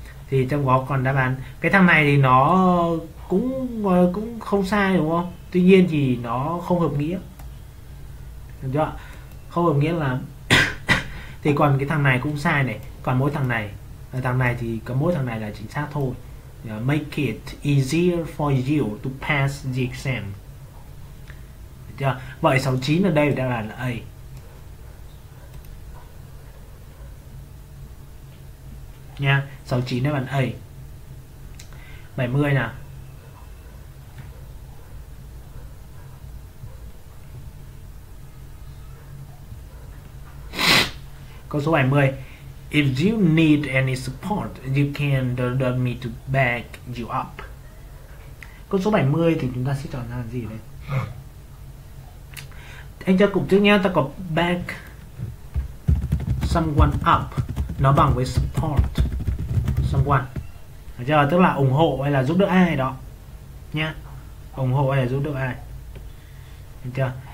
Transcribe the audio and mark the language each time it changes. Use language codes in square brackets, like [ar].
[vi] Thì trong đó còn đáp án cái thằng này thì nó cũng cũng không sai đúng không? Tuy nhiên thì nó không hợp nghĩa. Được chưa? Không hợp nghĩa lắm. Thì còn cái thằng này cũng sai này, còn mỗi thằng này thì có mỗi thằng này là chính xác thôi. [en] Make it easier for you to pass the exam. [vi] Được chưa? Vậy 69 ở đây đáp án là A. Nha, 69 đáp án A. 70 nào. Câu số 70. [en] If you need any support, you can order me to back you up. [vi] Câu số 70 thì chúng ta sẽ chọn ra gì đây? Anh cho cụm trước nha, ta có back someone up nó bằng với support someone. Được chưa? Tức là ủng hộ hay là giúp đỡ ai đó nhá. Ủng hộ hay là giúp đỡ ai. Được chưa?